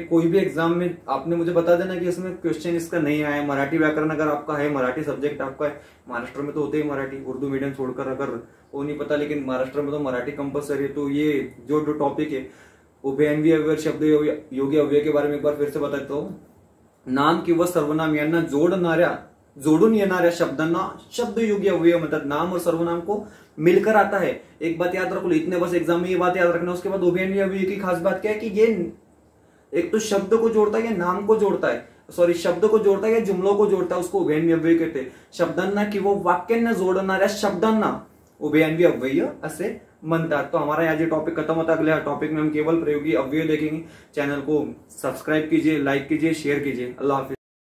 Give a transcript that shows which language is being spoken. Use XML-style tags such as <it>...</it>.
<hi>कोई भी एग्जाम में आपने मुझे बता देना कि इसमें क्वेश्चन इसका नहीं आया। मराठी व्याकरण अगर आपका है, मराठी सब्जेक्ट आपका है, महाराष्ट्र में तो होते ही मराठी, उर्दू मीडियम छोड़कर अगर वो नहीं पता, लेकिन महाराष्ट्र में तो मराठी कंपलसरी है। तो ये जो जो टॉपिक है उभयान्वी अव्यय शब्द योगी अव्यय के बारे में एक बार फिर से बता देता हूँ।</hi> <mr>नाम किंवा सर्वनाम यांना जोडून येणाऱ्या शब्दांना शब्द योगी अव्यय म्हणतात।</mr> <hi>नाम और सर्वनाम को मिलकर आता है, एक बात याद रख लो, इतने बस एग्जाम में ये बात याद रखना। उसके बाद उभयान्वी अव्यय की खास बात क्या है कि ये एक तो शब्द को जोड़ता है या नाम को जोड़ता है, सॉरी शब्द को जोड़ता है या जुमलों को जोड़ता है, उसको उभयान्वी अव्यय कहते हैं।</hi> <mr>शब्दांना कि वो वाक्यांना जोडणाऱ्या शब्दांना उभयान्वी अव्यय असे म्हणतात।</mr> <hi>तो हमारा आज ये टॉपिक खत्म होता है, अगले टॉपिक में हम केवल प्रयोगी अव्यय देखेंगे। चैनल को सब्सक्राइब कीजिए, लाइक कीजिए, शेयर कीजिए। अल्लाह हाफिज़।</hi>